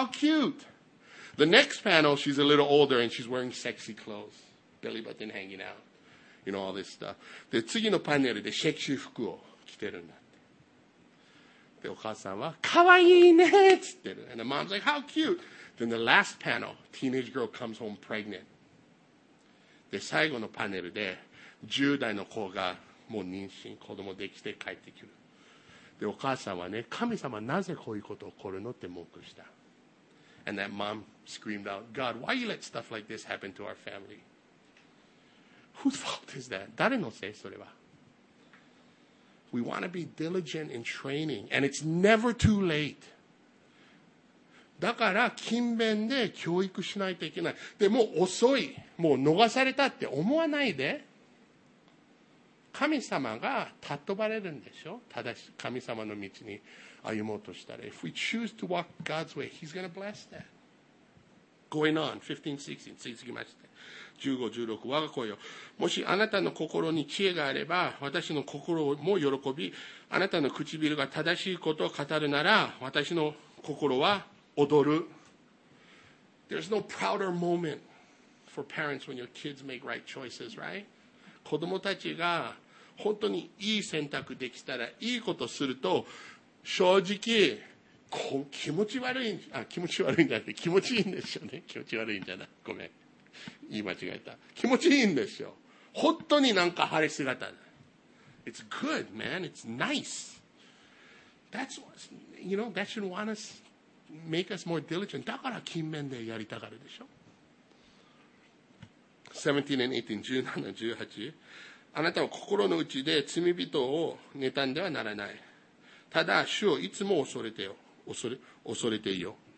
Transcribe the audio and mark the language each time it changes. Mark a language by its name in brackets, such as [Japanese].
[English] How cute. The next panel, she's a little older and she's wearing sexy clothes. Belly button hanging out. You know, all this stuff. [Japanese] で、次のパネルでセクシー服を着てるんだって。で、お母さんはかわいいねって言ってる。 [English] And the mom's like, how cute. Then the last panel, teenage girl comes home pregnant. [Japanese] で、最後のパネルで10代の子がもう妊娠、子供できて帰ってくる。で、お母さんはね、神様なぜこういうこと起こるのって文句した。 [English] And that mom screamed out, God, why you let stuff like this happen to our family? Whose fault is that? [Japanese] 誰のせいそれは。 [English] We want to be diligent in training, and it's never too late. [Japanese] だから、勤勉で教育しないといけない。でも、遅い。もう逃されたって思わないで。神様が尊ばれるんでしょ。正しい神様の道に歩もうとしたら。 [English] If we choose to walk God's way, He's going to bless that. Going on, 15-16, [Japanese] 続きまして。 15-16, 我が子よ。もしあなたの心に知恵があれば、私の心も喜び、あなたの唇が正しいことを語るなら、私の心は踊る。 [English] There's no prouder moment for parents when your kids make right choices, right? [Japanese] 子供たちが本当にいい選択できたら、いいことすると、正直、気持ち悪いん、あ、気持ち悪いんじゃなくて、気持ちいいんですよね。気持ち悪いんじゃない。ごめん。言い間違えた。気持ちいいんですよ。本当になんか晴れ姿。 [English] It's good, man. It's nice. That's, you know, that should want us, make us more diligent. [Japanese] だから勤勉でやりたがるでしょ。 [English] 17 and 18, 17, 18. [Japanese] あなたは心の内で罪人を妬んではならない。ただ、主をいつも恐れてよ。恐れていよ。